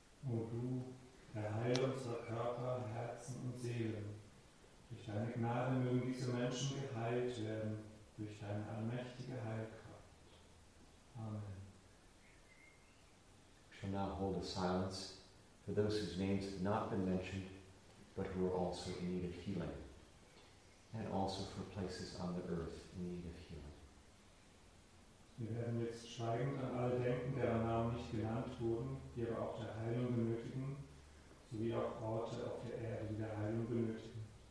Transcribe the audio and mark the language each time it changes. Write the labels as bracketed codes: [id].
[de] O du, der Heil unserer Körper, Herzen und Seelen, durch deine Gnade mögen diese Menschen geheilt werden, durch deine allmächtige Heilkraft. Amen. [en] We shall now hold a silence for those whose names have not been mentioned, but who are also in need of healing, and also for places on the earth in need of healing. [de] Wir werden jetzt schweigend an alle denken, deren Namen nicht genannt wurden, die aber auch der Heilung benötigen, sowie auch Orte auf der Erde, die der Heilung benötigen.